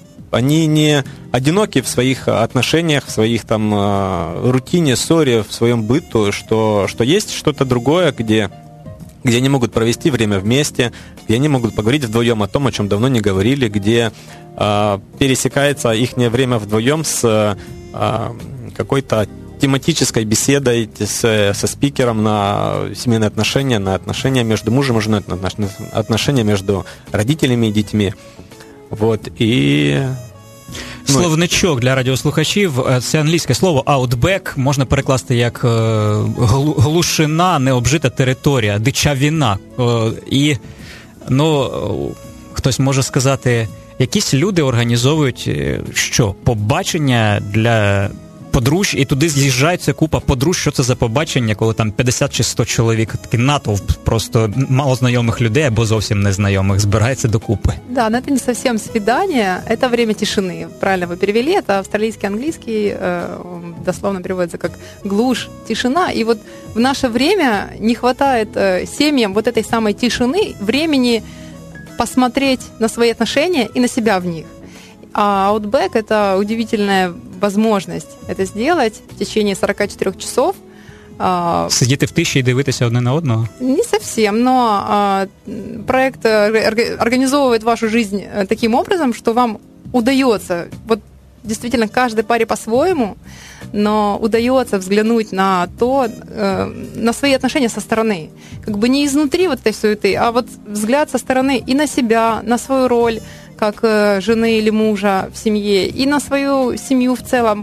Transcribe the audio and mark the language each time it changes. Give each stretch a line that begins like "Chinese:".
Russian: они не одиноки в своих отношениях, в своих там рутине, ссоре, в своем быту, что есть что-то другое, где они могут провести время вместе, где они могут поговорить вдвоем о том, о чем давно не говорили, где пересекается их время вдвоем с какой-то тематической беседой со спикером на семейные отношения, на отношения между мужем и женой, на отношения между родителями и детьми. Вот, и...
Ukrainian: Словничок для радіослухачів, це англійське слово outback, можна перекласти як глушина, необжита територія, дичавіна. І, ну, хтось може сказати, якісь люди організовують що? Побачення для подружжя, і туди з'їжджається купа подружжя. Що це за побачення, коли там 50 чи 100 чоловік, такий натовп просто малознайомих людей або зовсім незнайомих збирається докупи?
Russian: Да, но это не совсем свидание, это время тишины. Правильно вы перевели, это
Ukrainian: австралійський, англійський,
Russian: дословно переводится как глушь, тишина. И вот в наше время не хватает семьям вот этой самой тишины, времени посмотреть на свои отношения и на себя в них. А Outback — это удивительная возможность это сделать в течение 44 часов. Сидеть
Ukrainian: в тиші и дивитися одне на одного?
Russian: Не совсем, но проект организовывает вашу жизнь таким образом, что вам удается, вот действительно каждой паре по-своему, но удается взглянуть на то, на свои отношения со стороны. Как бы не изнутри вот этой суеты, а вот взгляд со стороны и на себя, на свою роль, как жены или мужа в семье, и на свою семью в целом.